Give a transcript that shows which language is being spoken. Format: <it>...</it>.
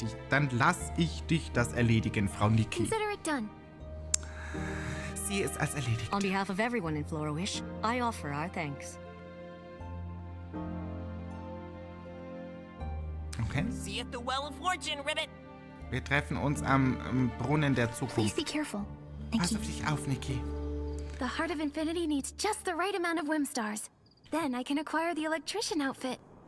<de>Dann lass ich dich das erledigen, Frau Nikki.</de> <en>Consider it done.</en> <de>Sieh es als erledigt.</de> <en>On behalf of everyone in Flora-Wish, I offer our thanks. Okay. See you at the Well of Fortune, Ribbit.</en> <de>Wir treffen uns am Brunnen der Zukunft.</de> <en>Please be careful.</en> <de>Pass auf dich auf, Nikki.</de> <en>The Heart of Infinity needs just the right amount of Whimstars. Then I can acquire the electrician outfit.</en>